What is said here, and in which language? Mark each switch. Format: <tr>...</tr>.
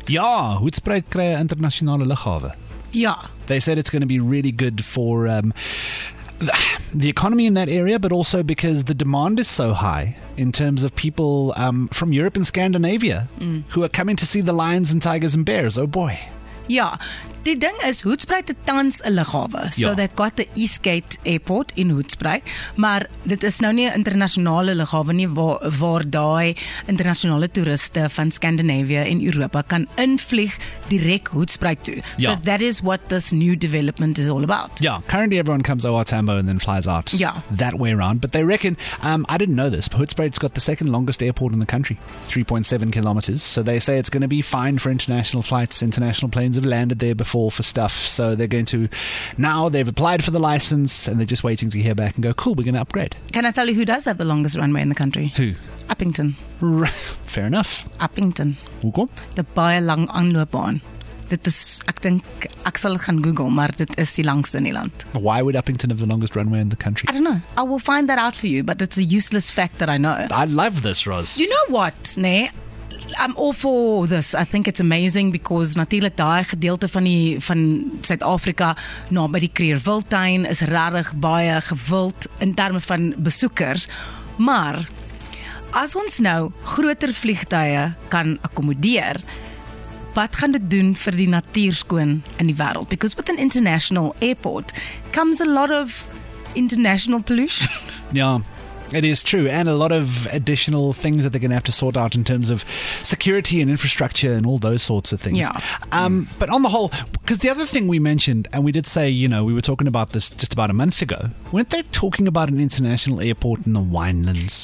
<af>Ja, Hoedspruit kry 'n internasionale lughawe. Ja.</af> <en>They said it's going to be really good for the economy in that area, but also because the demand is so high in terms of people from Europe and Scandinavia who are coming to see the lions and tigers and bears. Oh boy.</en> <af>Ja, die ding is, Hoedspruit het tans 'n lughawe.</af> <en>So they've got the Eastgate Airport in Hoedspruit,</en> <af>maar dit is nou nie 'n internasionale lughawe nie waar daai internasionale toeriste van Scandinavia en Europa kan invlieg direk Hoedspruit toe.</af> <en>Ja. So that is what this new development is all about. Ja, currently everyone comes over Tambo and then flies out that way around. But they reckon, I didn't know this, but Hoedspruit's got the second longest airport in the country, 3.7 kilometers. So they say it's going to be fine for international flights, international planes have landed there before for stuff, so they're going to, now they've applied for the license and they're just waiting to hear back and go, cool, we're going to upgrade. Can I tell you who does have the longest runway in the country? Who? Upington. Fair enough. Upington.</en> <af>Hoekom? The baie lang aanloopbaan. Dit is, ek dink, ek sal gaan Google, maar dit is die langste in die land.</af> <en>Why would Upington have the longest runway in the country? I don't know. I will find that out for you, but it's a useless fact that I know. I love this, Roz. You know what,</en> <af>nee?</af> <en>I'm all for this. I think it's amazing because</en> <af>natuurlik daai gedeelte van Suid-Afrika naby die Kruger-Wildtuin is regtig baie gewild in terme van besoekers. Maar as ons nou groter vliegtuie kan akkommodeer, wat gaan dit doen vir die natuur skoon in die wêreld?</af> <en>Because with an international airport comes a lot of international pollution. Yeah. It is true, and a lot of additional things that they're going to have to sort out in terms of security and infrastructure and all those sorts of things. Yeah. But on the whole, because the other thing we mentioned, and we did say, you know, we were talking about this just about a month ago, weren't they talking about an international airport in the Winelands?</en>